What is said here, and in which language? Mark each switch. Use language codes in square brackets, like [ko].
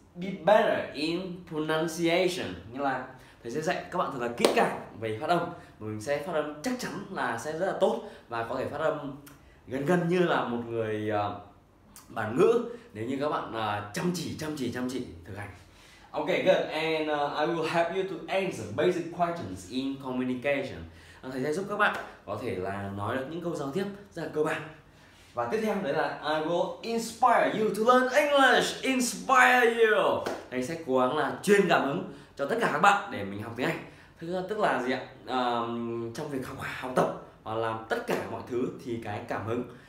[en] Be better in pronunciation. [vi] Nghĩa là thầy sẽ dạy các bạn thật là kỹ càng về phát âm. Mình sẽ phát âm chắc chắn là sẽ rất là tốt và có thể phát âm gần như là một người bản ngữ nếu như các bạn chăm chỉ thực hành. [en] Okay, good. And I will help you to answer basic questions in communication. [vi] Thầy sẽ giúp các bạn có thể là nói được những câu giao tiếp rất là cơ bản. Và tiếp theo đấy là [en] I will inspire you to learn English. Inspire you. [vi] Thầy sẽ cố gắng là truyền cảm hứng cho tất cả các bạn để mình học tiếng Anh. Tức là gì ạ? Trong việc học tập và làm tất cả mọi thứ thì cái cảm hứng.